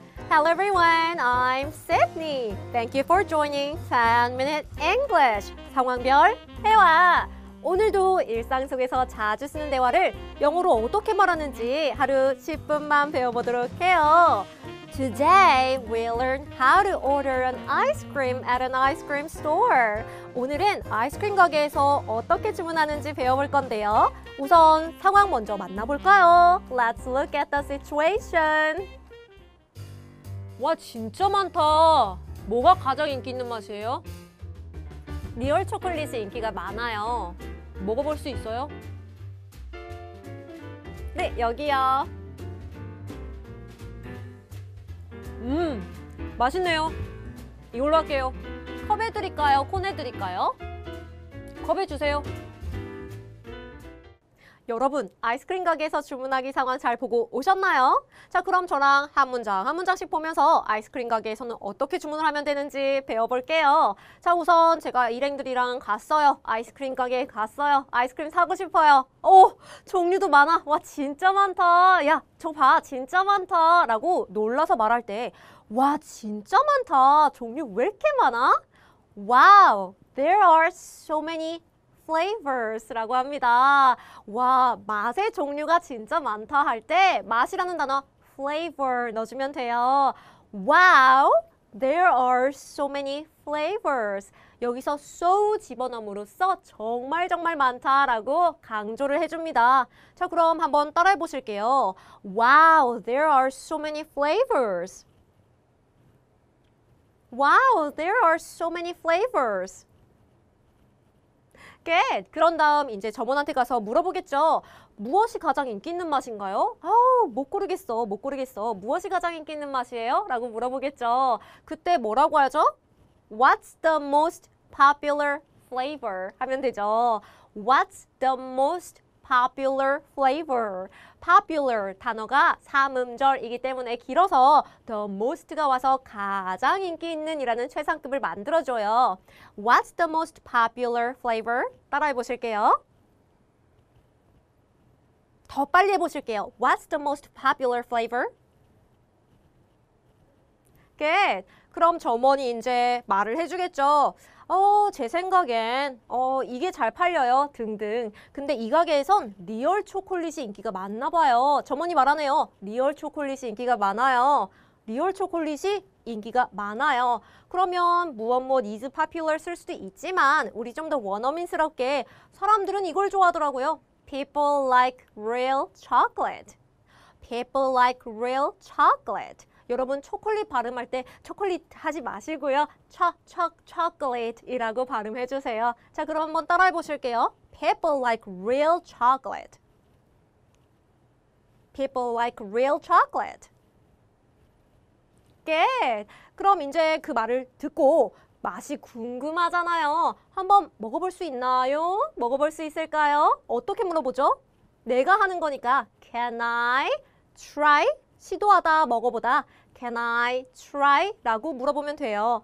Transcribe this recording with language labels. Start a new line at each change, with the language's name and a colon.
English: Hello everyone, I'm Sydney. Thank you for joining 5-Minute English,
Korean: 상황별 회화. 오늘도 일상 속에서 자주 쓰는 대화를 영어로 어떻게 말하는지 하루 10분만 배워보도록 해요.
English: Today, we learn how to order an ice cream at an ice cream store.
Korean: 오늘은 아이스크림 가게에서 어떻게 주문하는지 배워볼 건데요. 우선 상황 먼저 만나볼까요?
English: Let's look at the situation.
Korean: 와, 진짜 많다. 뭐가 가장 인기 있는 맛이에요? 리얼 초콜릿이 인기가 많아요. 먹어볼 수 있어요? 네, 여기요. 맛있네요. 이걸로 할게요. 컵에 드릴까요? 콘에 드릴까요? 컵에 주세요. 여러분, 아이스크림 가게에서 주문하기 상황 잘 보고 오셨나요? 자, 그럼 저랑 한 문장 한 문장씩 보면서 아이스크림 가게에서는 어떻게 주문을 하면 되는지 배워볼게요. 자, 우선 제가 일행들이랑 갔어요. 아이스크림 가게에 갔어요. 아이스크림 사고 싶어요. 오, 종류도 많아. 와, 진짜 많다. 야, 저 봐, 진짜 많다. 라고 놀라서 말할 때, 와, 진짜 많다. 종류 왜 이렇게 많아?
English: Wow, there are so many flavors
Korean: 라고 합니다. 와, 맛의 종류가 진짜 많다 할 때 맛이라는 단어 flavor 넣어주면 돼요.
English: Wow, there are so many flavors.
Korean: 여기서 so 집어넣음으로써 정말 정말 많다 라고 강조를 해줍니다. 자, 그럼 한번 따라해 보실게요.
English: Wow, there are so many flavors. Wow, there are so many flavors. Good.
Korean: 그런 다음 이제 점원한테 가서 물어보겠죠. 무엇이 가장 인기 있는 맛인가요? 아우, 못 고르겠어. 못 고르겠어. 무엇이 가장 인기 있는 맛이에요? 라고 물어보겠죠. 그때 뭐라고 하죠?
English: What's the most popular flavor?
Korean: 하면 되죠.
English: What's the most popular flavor?
Korean: Popular 단어가 3음절이기 때문에 길어서 the most가 와서 가장 인기 있는 이라는 최상급을 만들어줘요.
English: What's the most popular flavor?
Korean: 따라해 보실게요. 더 빨리 해 보실게요.
English: What's the most popular flavor? Good.
Korean: 그럼 점원이 이제 말을 해주겠죠. 제 생각엔 이게 잘 팔려요 등등. 근데 이 가게에선 리얼 초콜릿이 인기가 많나 봐요. 점원이 말하네요. 리얼 초콜릿이 인기가 많아요. 리얼 초콜릿이 인기가 많아요. 그러면 무엇무엇
English: is popular
Korean: 쓸 수도 있지만 우리 좀 더 원어민스럽게 사람들은 이걸 좋아하더라고요.
English: People like real chocolate. People like real chocolate.
Korean: 여러분, 초콜릿 발음할 때 초콜릿 하지 마시고요. 초콜릿이라고 발음해주세요. 자, 그럼 한번 따라해보실게요.
English: People like real chocolate. People like real chocolate. Good.
Korean: 그럼 이제 그 말을 듣고 맛이 궁금하잖아요. 한번 먹어볼 수 있나요? 먹어볼 수 있을까요? 어떻게 물어보죠? 내가 하는 거니까
English: Can I try?
Korean: 시도하다, 먹어보다.
English: Can I try?
Korean: 라고 물어보면 돼요.